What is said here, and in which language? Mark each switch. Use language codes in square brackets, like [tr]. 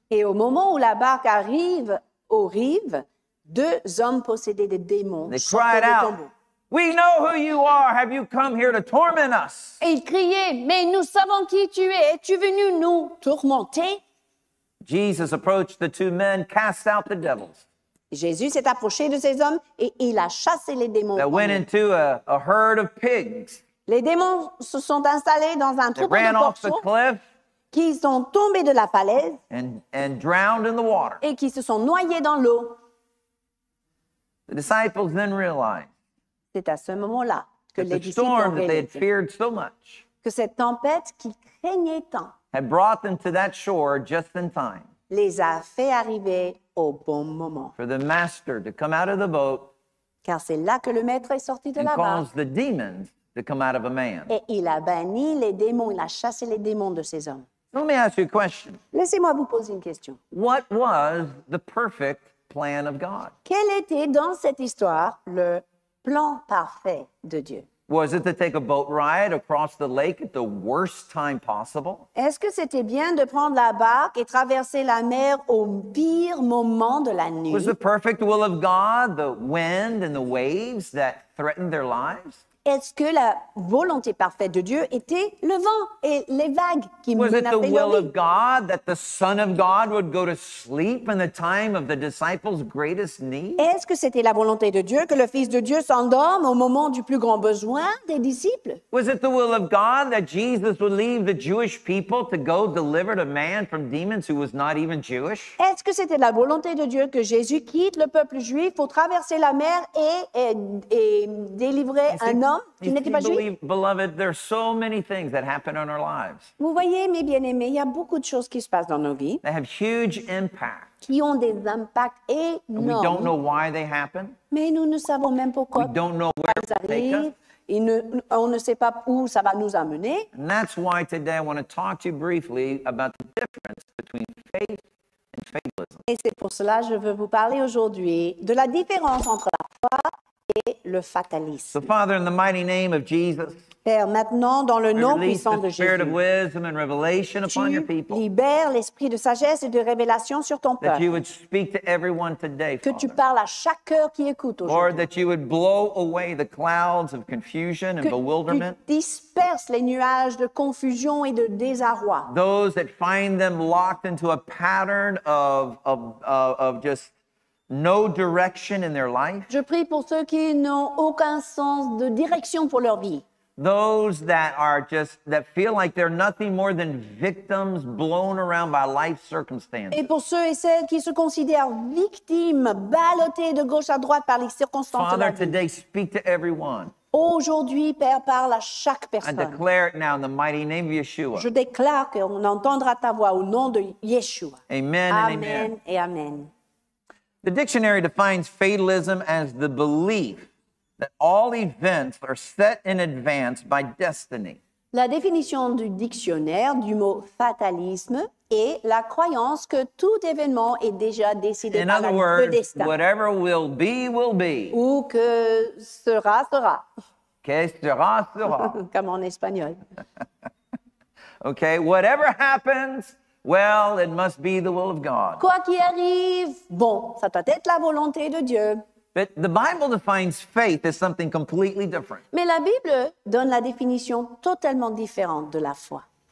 [fr] Et au moment où la barque arrive aux rives, deux hommes possédés de démons [en] they cried out, "We know who you are. Have you come here to torment us?" [fr] Et ils criaient, "Mais nous savons qui tu es. Es-tu venu nous tourmenter?" [en] Jesus approached the two men, cast out the devils. [fr] Jésus s'est approché de ces hommes et il a chassé les démons. [en] They went into a herd of pigs. [fr] Les démons se sont installés dans un troupeau de porcs. [en] They ran off the cliff. [fr] Qui sont tombés de la falaise. [en] And drowned in the water. [fr] Et qui se sont noyés dans l'eau. [en] The disciples then realized. [fr] C'est à ce moment-là que les disciples ont réalisé que cette tempête qu'ils craignaient tant [en] had brought them to that shore just in time [fr] les a fait arriver au bon moment. [en] For the master to come out of the boat, [fr] car c'est là que le maître est sorti de la barque, [en] caused the demons to come out of a man. [fr] Et il a banni les démons, il a chassé les démons de ces hommes. [en] Let me ask you a question. [fr] Laissez-moi vous poser une question. [en] What was the perfect plan of God? [fr] Quel était dans cette histoire le plan parfait de Dieu? [en] Was it to take a boat ride across the lake at the worst time possible? [fr] Est-ce que c'était bien de prendre la barque et traverser la mer au pire moment de la nuit? [en] Was the perfect will of God the wind and the waves that threatened their lives? [fr] Est-ce que la volonté parfaite de Dieu était le vent et les vagues qui menaçaient leur vie? [en] Was it the will of God that the Son of God would go to sleep in the time of the disciples' greatest need? [fr] Est-ce que c'était la volonté de Dieu que le Fils de Dieu s'endorme au moment du plus grand besoin des disciples? [en] Was it the will of God that Jesus would leave the Jewish people to go deliver a man from demons who was not even Jewish? [fr] Est-ce que c'était la volonté de Dieu que Jésus quitte le peuple juif pour traverser la mer et délivrer un [en] Beloved, there are so many things that happen in our lives. [fr] Vous voyez, mes bien-aimés, il y a beaucoup de choses qui se passent dans nos vies. [en] They have huge impact. [fr] Qui ont des impacts énormes. [en] And we don't know why they happen. [fr] Mais nous ne savons même pourquoi. [en] We don't know where [fr] ils arrivent. On ne sait pas où ça va nous amener. [en] And that's why today I want to talk to you briefly about the difference between faith and fatalism. [fr] Et c'est pour cela que je veux vous parler aujourd'hui de la différence entre la foi et le fatalisme. [en] So, Father, in the mighty name of Jesus, [fr] Père, maintenant, dans le nom puissant de Jésus, [en] of wisdom and revelation [fr] tu [en] upon your people. [fr] Libères l'esprit de sagesse et de révélation sur ton peuple. [en] That you would speak to everyone today, [fr] que [en] Father. [fr] Tu parles à chaque cœur qui écoute aujourd'hui. [en] Lord, that you would blow away the clouds of confusion and [fr] que [en] bewilderment. [fr] Tu disperses les nuages de confusion et de désarroi. [en] Those that find them locked into a pattern of just no direction in their life. [fr] Je prie pour ceux qui n'ont aucun sens de direction pour leur vie. [en] Those that are just, that feel like they're nothing more than victims blown around by life circumstances. [fr] Et pour ceux et celles qui se considèrent victimes, ballottées de gauche à droite par les circonstances [en] Father, [fr] de la vie. [en] Father, today speak to everyone. [fr] Aujourd'hui, Père, parle à chaque personne. [en] I declare it now in the mighty name of Yeshua. [fr] Je déclare qu'on entendra ta voix au nom de Yeshua. [en] Amen and amen. [fr] Amen et amen. [en] The dictionary defines fatalism as the belief that all events are set in advance by destiny. [fr] La définition du dictionnaire du mot fatalisme est la croyance que tout événement est déjà décidé [en] in [fr] par [en] other words, [fr] le destin. [en] Whatever will be, [fr] ou que sera, sera. Que sera, sera. Comme en espagnol. Okay, whatever happens, well, it must be the will of God. Quoi qu'il arrive, bon, ça doit être la volonté de Dieu. [en] But the Bible defines faith as something completely different. [fr] Mais la Bible donne la définition totalement différente de la foi.